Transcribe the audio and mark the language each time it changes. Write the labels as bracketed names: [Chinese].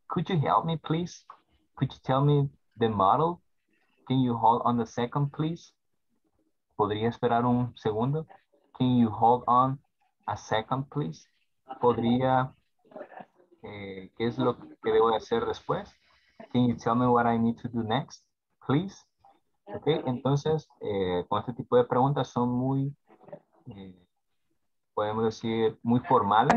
[English] Could you help me, please? Could you tell me the model? Can you hold on the second, please? [Spanish] ¿Podría esperar un segundo? [English] Can you hold on a second, please? [Spanish] ¿Podría, qué es lo que debo de hacer después? [English] Can you tell me what I need to do next, please? [Spanish] Okay, entonces, con este tipo de preguntas son muy, podemos decir, muy formales.